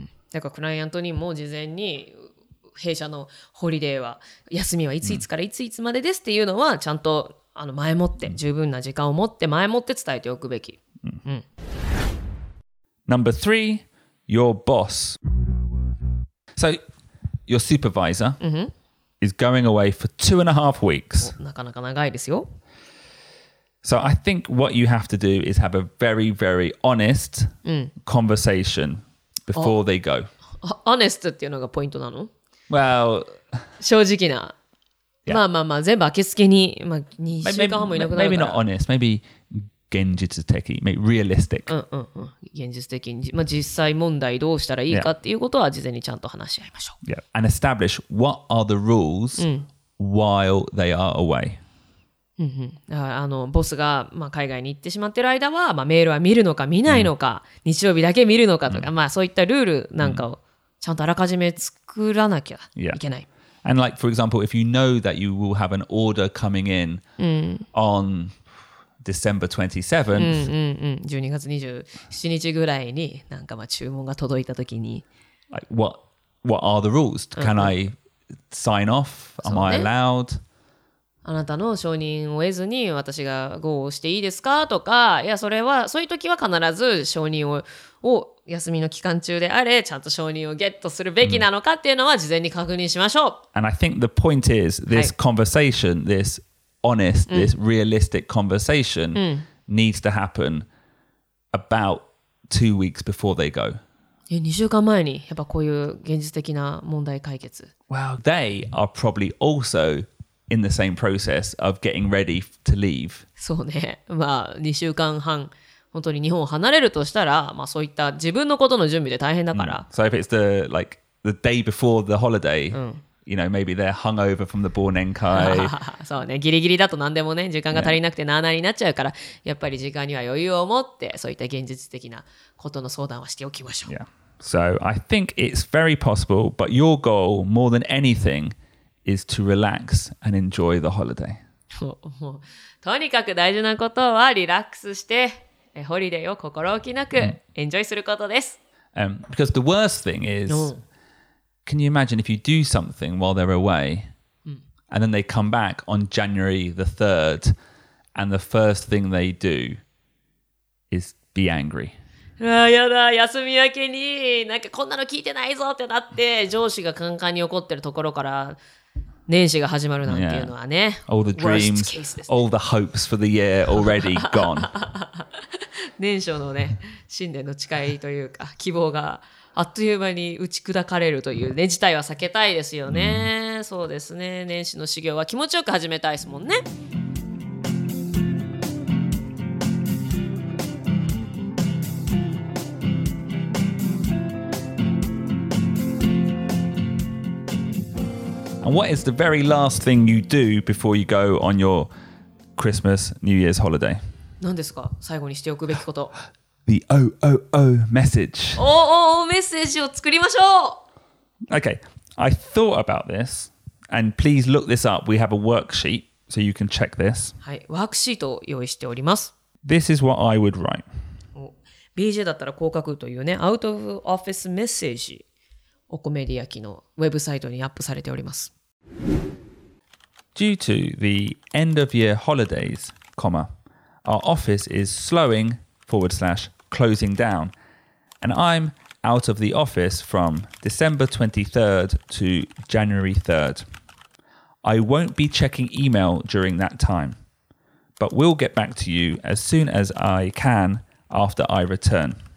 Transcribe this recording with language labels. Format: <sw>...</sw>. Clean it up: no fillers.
<ja>だからクライアントにも事前に弊社のホリデーは休みはいついつからいついつまでですっていうのはちゃんとあの前もって十分な時間を持って前もって伝えておくべき。</ja> <en>Number three, your boss. So your supervisor is going away for 2.5 weeks.</en> <ja>なかなか長いですよ。</ja> <en>So I think what you have to do is have a very, very honest conversation before they go.</en> <ja>Honest っていうのがポイントなの?</ja> <en>Well,</en> <ja>正直な。まあまあまあ、全部明けつけに、まあ2週間もいなくなるから。</ja> <en>Maybe not honest, maybe 現実的、maybe realistic.</en> <ja>現実的に、まあ実際問題どうしたらいいかっていうことは事前にちゃんと話し合いましょう。</ja> <en>Yeah. And establish what are the rules while they are away.</en> <ja>あのボスが、まあ、海外に行ってしまってる間は、まあ、メールは見るのか見ないのか、うん、日曜日だけ見るのかとか、うん、まあ、そういったルールなんかをちゃんとあらかじめ作らなきゃいけない。</ja> <en>Yeah. And like, for example, if you know that you will have an order coming in on December</en> <ja>27th, 12月27日ぐらいになんかまあ注文が届いたときに、</ja> <en>like, what are the rules? Can I sign off? Am I allowed?</en> <ja>あなたの承認を得ずに私がGOをしていいですかとか、いや、それは、そういう時は必ず承認 を休みの期間中であれ、ちゃんと承認をゲットするべきなのかっていうのは事前に確認しましょう。</ja> <en>And I think the point is, this conversation,、はい、this honest,、うん、this realistic conversation、うん、needs to happen about 2 weeks before they go.</en> <ja>2週間前に、やっぱこういう現実的な問題解決。</ja> <en>Well, they are probably also... in the same process of getting ready to leave.</en> <ja>そうね。まあ、2週間半、本当に日本を離れるとしたら、まあそういった自分のことの準備で大変だから。</ja> <en>So if it's the, like, the day before the holiday, you know, maybe they're hungover from the 忘年会。</en> <ja>そうね。ギリギリだと何でもね、時間が足りなくてなーなーになっちゃうから、やっぱり時間には余裕を持って、そういった現実的なことの相談はしておきましょう。</ja> <en>Yeah. So I think it's very possible, but your goal, more than anything,is to relax and enjoy the holiday.</en> <ja>とにかく大事なことはリラックスしてホリデーを心置きなくエンジョイすることです。</ja> <en>Because the worst thing is, can you imagine if you do something while they're away, And then they come back on January the 3rd. And the first thing they do is be angry.</en> <ja>ああやだ休み明けになんかこんなの聞いてないぞってなって上司がカンカンに怒ってるところから年始が始まるなんていうのはね、</ja> <en>yeah. All the dreams, all the hopes for the year already gone</en> <ja>年初のね新年の誓いというか希望があっという間に打ち砕かれるというね事態は避けたいですよね、mm. そうですね年始の修行は気持ちよく始めたいですもんね</ja> <en>What is the very last thing you do before you go on your Christmas, New Year's holiday?</en> <ja>何ですか最後にしておくべきこと。</ja> <en>The OOO message.</en> <ja>OOO message を作りましょう</ja> <en>Okay, I thought about this, and please look this up. We have a worksheet, so you can check this.</en> <ja>はい、ワークシートを用意しております。</ja> <en>This is what I would write.</en> <ja>BJ だったらこう書くというね、Out of Office Message. オコメディア機のウェブサイトにアップされております。</ja> <en>Due to the end of year holidays, our office is slowing, closing down, and I'm out of the office from December 23rd to January 3rd. I won't be checking email during that time, but we'll get back to you as soon as I can after I return.</en>